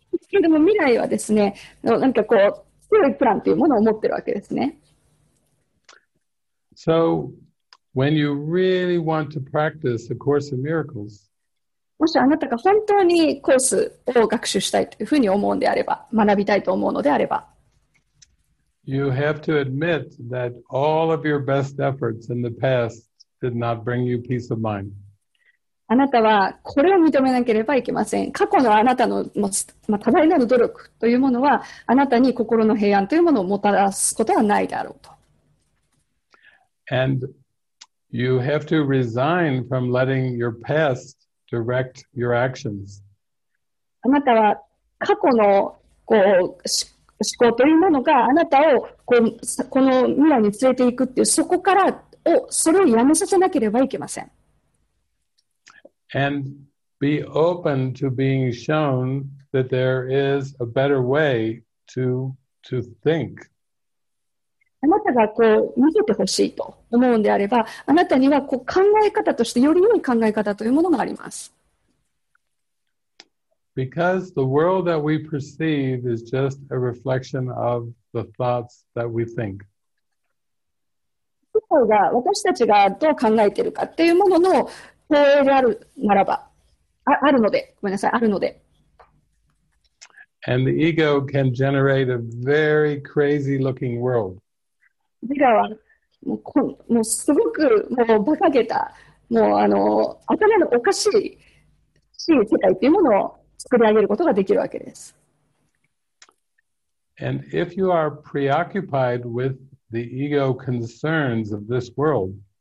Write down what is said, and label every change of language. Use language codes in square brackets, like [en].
[ja] でも未来はですね、なんかこう、強いプランというものを持ってるわけですね。 [en] So, when you really want to practice A Course in Miracles, [ja] もしあなたが本当にコースを学習したいというふうに思うのであれば、学びたいと思うのであれば、 [en] You have to admit that all of your best efforts in the past did not bring you peace of mind. [ja] あなたはこれを認めなければいけません。過去のあなたの多大なる努力というものはあなたに心の平安というものをもたらすことはないだろうと。 [en] And you have to resign from letting your past direct your actions. [ja] あなたは過去のこう思考というものがあなたを この未来に連れていくっていう、そこからをそれをやめさせなければいけません。 [en] And be open to being shown that there is a better way to think. [ja] あなたがこう見せてほしいと思うんであれば、あなたにはこう考え方としてより良い考え方というものがあります。 [en] Because the world that we perceive is just a reflection of the thoughts that we think. [ja] 世界が私たちがどう考えているかっていうものの投影であるならば、あるので、ごめんなさい、あるので。 [en] And the ego can generate a very crazy looking world. [ja] 自我はもうすごくもう馬鹿げた、もうあの頭のおかしい世界というものを作り上げることができるわけです。 [en] And if you are preoccupied with the ego concerns of this world,